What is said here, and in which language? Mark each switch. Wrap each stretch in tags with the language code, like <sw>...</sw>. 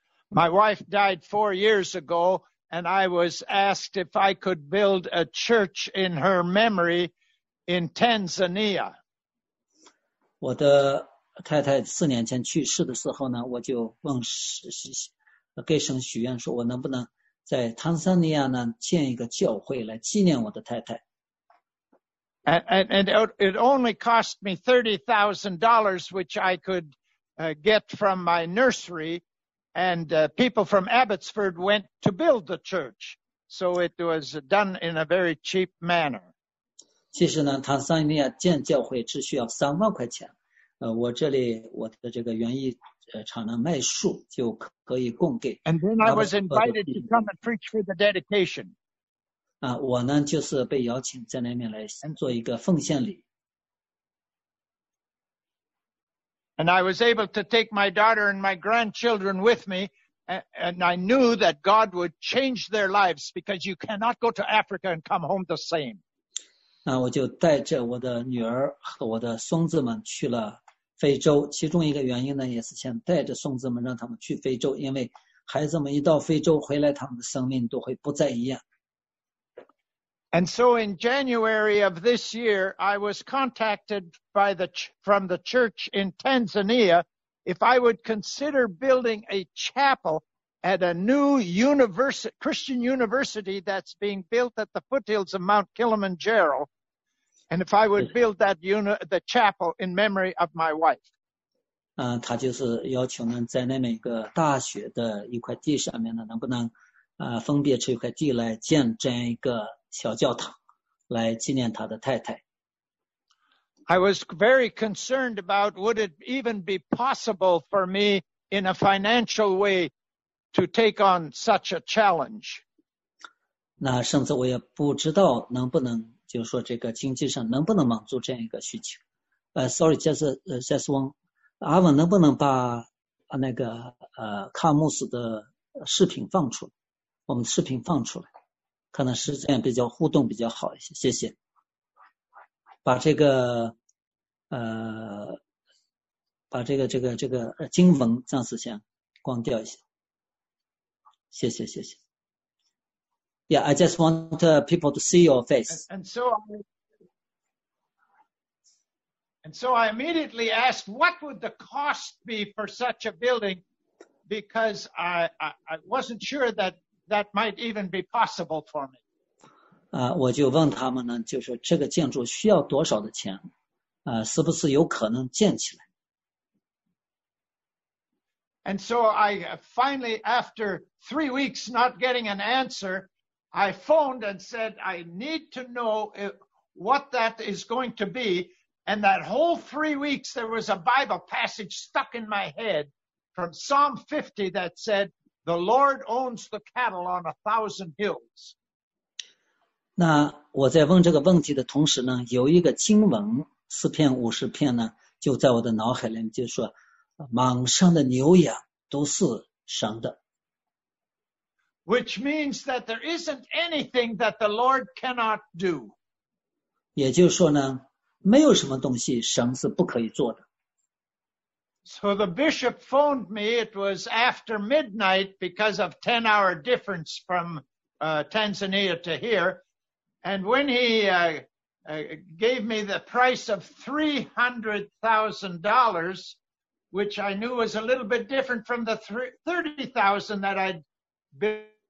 <en>My wife died 4 years ago, and I was asked if I could build a church in her memory in Tanzania.</en> <zh>我的太太四年前去世的时候呢，我就问给神许愿说，我能不能在坦桑尼亚呢建一个教会来纪念我的太太。</zh> <en>And it only cost me $30,000, which I could get from my nursery. And people from Abbotsford went to build the church. So it was done in a very cheap manner.</en> <zh>其实呢，坦桑尼亚建教会只需要3万块钱。我这里我的这个园艺厂呢卖树就可以供给。</zh> <en>And then I was invited to come and preach for the dedication.</en> <zh>我呢就是被邀请在那边来做一个奉献礼。</zh> <en>And I was able to take my daughter and my grandchildren with me, and I knew that God would change their lives because you cannot go to Africa and come home the same.</en> <zh>那我就带着我的女儿和我的孙子们去了非洲。其中一个原因呢，也是想带着孙子们让他们去非洲，因为孩子们一到非洲回来，他们的生命都会不再一样。</zh> <en>And so in January of this year, I was contacted by from the church in Tanzania if I would consider building a chapel at a new Christian university that's being built at the foothills of Mount Kilimanjaro, and if I would build that the chapel in memory of my wife.</en> <zh>他就是要求呢，在那么一个大学的一块地上面呢，能不能分别出一块地来建这样一个小教堂来纪念他的太太。</zh> <en>I was very concerned about would it even be possible for me in a financial way to take on such a challenge.</en> <zh>那甚至我也不知道能不能就是说这个经济上能不能满足这样一个需求。</zh> <en>Just one,</en> <zh>阿文能不能把那个卡穆斯的视频放出来，我们的视频放出来。可能是这样比较互动比较好一些，谢谢。把这个把这个经文暂时先关掉一下，谢谢。</zh> <en>Yeah, I just want people to see your face. And so I immediately asked, what would the cost be for such a building? Because I wasn't sure that might even be possible for me.</en> <zh>我就问他们呢，就是这个建筑需要多少的钱，是不是有可能建起来。</zh> <en>And so I finally, after 3 weeks not getting an answer, I phoned and said, I need to know what that is going to be. And that whole 3 weeks, there was a Bible passage stuck in my head from Psalm 50 that said,The Lord owns the cattle on 1,000 hills.</en> <zh>那我在问这个问题的同时呢，有一个经文50篇呢，就在我的脑海里面，就说，满山的牛羊都是神的。</zh> <en>Which means that there isn't anything that the Lord cannot do.</en> <zh>也就是说呢，没有什么东西神是不可以做的。</zh> <en>So the bishop phoned me, it was after midnight because of 10-hour difference from Tanzania to here. And when he gave me the price of $300,000, which I knew was a little bit different from the $30,000 that I'd built.</en>